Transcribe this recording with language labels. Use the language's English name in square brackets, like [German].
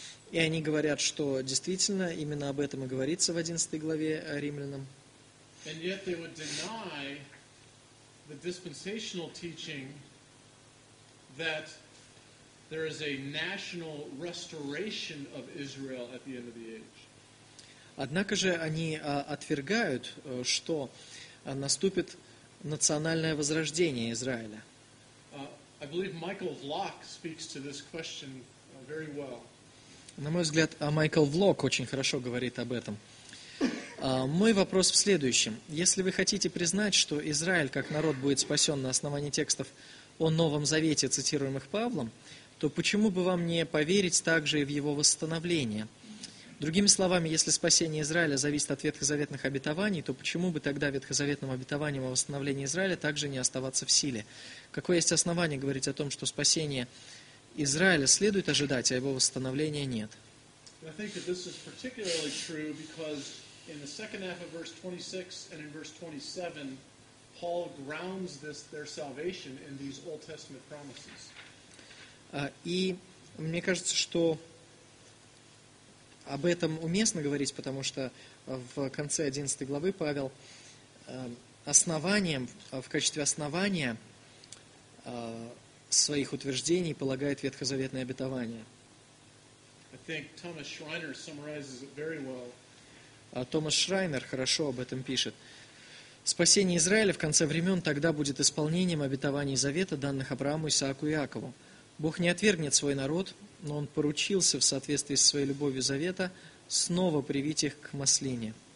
[Russian] И они говорят, что действительно именно об этом и говорится в 11 главе Римлянам. [English] And yet they would deny the dispensational teaching that there is a national restoration of Israel at the end of the age. [Russian] Однако же они отвергают, что наступит национальное возрождение Израиля. [English] I believe Michael Vlock speaks to this question very well. [Russian] На мой взгляд, Майкл Влок очень хорошо говорит об этом. Мой вопрос в следующем. Если вы хотите признать, что Израиль как народ будет спасен на основании текстов о Новом Завете, цитируемых Павлом, то почему бы вам не поверить также и в его восстановление? Другими словами, если спасение Израиля зависит от ветхозаветных обетований, то почему бы тогда ветхозаветным обетованием о восстановлении Израиля также не оставаться в силе? Какое есть основание говорить о том, что спасение Израиля следует ожидать, а его восстановления нет? [English] I think that this is particularly true because in the second half of verse 26 and in verse 27, Paul grounds this, their salvation in these Old Testament promises. [Russian] И мне кажется, что об этом уместно говорить, потому что в конце 11 главы Павел основанием, в качестве основания своих утверждений полагает ветхозаветное обетование. [English] I think Thomas Schreiner summarizes it very well. [Russian] Томас Шрайнер хорошо об этом пишет. Спасение Израиля в конце времен тогда будет исполнением обетований Завета, данных Аврааму, Исааку и Иакову. Бог не отвергнет свой народ, но Он поручился в соответствии со своей любовью Завета снова привить их к маслине.